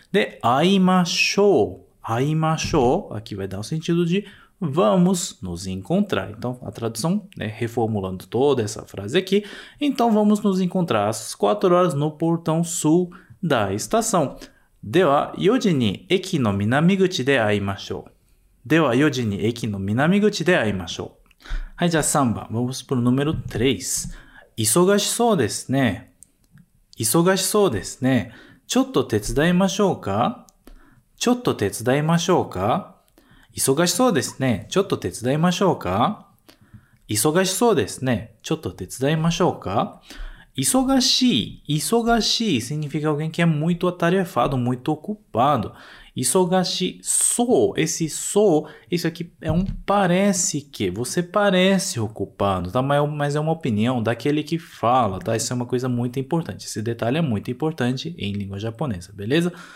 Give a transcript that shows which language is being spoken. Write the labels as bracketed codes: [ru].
[ja] De aimashou. [pt] Aimashou, aqui vai dar o sentido de vamos nos encontrar. Então, a tradução, né, reformulando toda essa frase aqui. Então, vamos nos encontrar às 4 horas no portão sul da estação. [ja] Dewa yojini eki no minamiguchi de aimashou. では4時に駅の南口で会いましょう。はい、じゃあ3番。 [pt] Vamos pro número 3。 [ja] 忙しそうですね。忙しそうですね。ちょっと手伝いましょうか？ちょっと手伝いましょうか？忙しそうですね。ちょっと手伝いましょうか？忙しそうですね。ちょっと手伝いましょうか？ [pt] 忙しい significa alguém que é muito atarefado, muito ocupado. 忙しそう, esse sou, isso aqui é um parece que, você parece ocupado, tá? Mas é uma opinião daquele que fala, tá? Isso é uma coisa muito importante, esse detalhe é muito importante em língua japonesa, beleza?